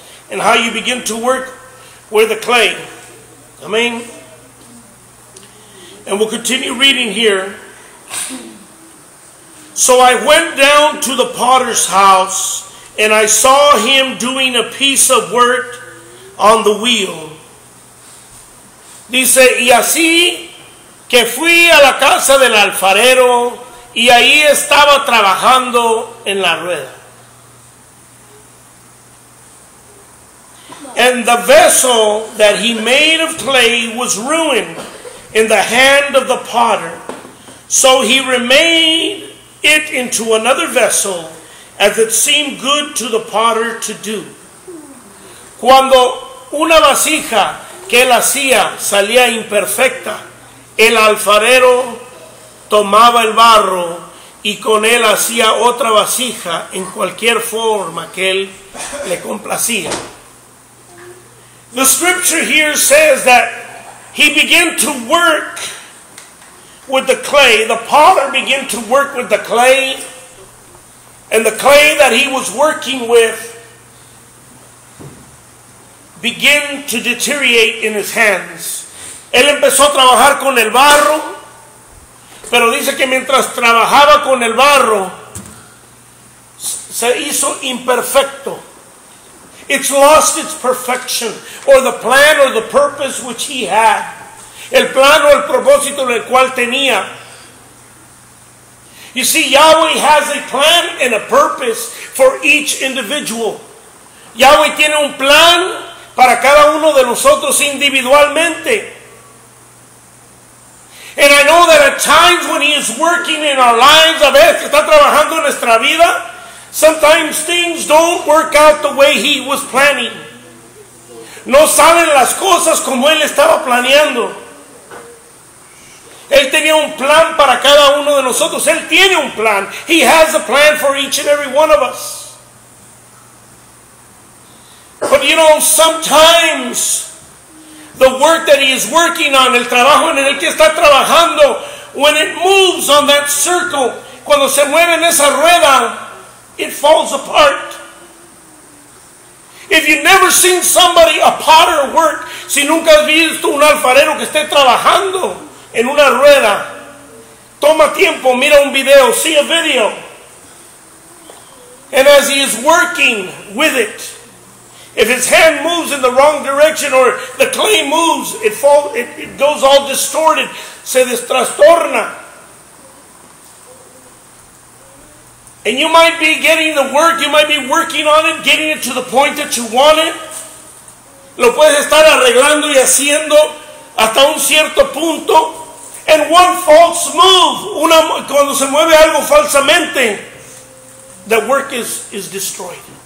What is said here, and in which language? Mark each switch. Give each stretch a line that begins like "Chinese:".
English: And how you begin to work with the clay. Amen. And we'll continue reading here. So I went down to the potter's house, and I saw him doing a piece of work on the wheel.
Spanish: Dice, y así que fui a la casa del alfarero, y ahí estaba trabajando en la rueda.
English: And the vessel that he made of clay was ruined in the hand of the potter. So he remade it into another vessel, as it seemed good to the potter to do.
Spanish: Cuando una vasija que él hacía salía imperfecta, el alfarero tomaba el barro y con él hacía otra vasija en cualquier forma que él le complacía.
English: The scripture here says that he began to work with the clay. The potter began to work with the clay, and the clay that he was working with begin to deteriorate in his hands.
Spanish: Él empezó a trabajar con el barro, pero dice que mientras trabajaba con el barro, se hizo imperfecto.
English: It's lost its perfection, or the plan or the purpose which he had.
Spanish: El plan o el propósito el cual tenía.
English: You see, Yahweh has a plan and a purpose for each individual.
Spanish: Yahweh tiene un plan para cada uno de nosotros individualmente.
English: And I know that at times when He is working in our lives,
Spanish: a veces está trabajando en nuestra vida,
English: sometimes things don't work out the way He was planning.
Spanish: No salen las cosas como Él estaba planeando. Él tenía un plan para cada uno de nosotros. Él tiene un plan.
English: He has a plan for each and every one of us. But you know, sometimes the work that He is working on,
Spanish: el trabajo en el que está trabajando,
English: when it moves on that circle,
Spanish: cuando se mueve en esa rueda,
English: it falls apart. If you've never seen somebody, a potter work,
Spanish: si nunca has visto un alfarero que esté trabajando en una rueda, toma tiempo, mira un video,
English: see a video. And as he is working with it, if his hand moves in the wrong direction or the clay moves, it goes all distorted,
Spanish: se destrastorna.
English: And you might be getting the work, you might be working on it, getting it to the point that you want it.
Spanish: Lo puedes estar arreglando y haciendo hasta un cierto punto.
English: And one false move,
Spanish: cuando se mueve algo falsamente,
English: the work is destroyed.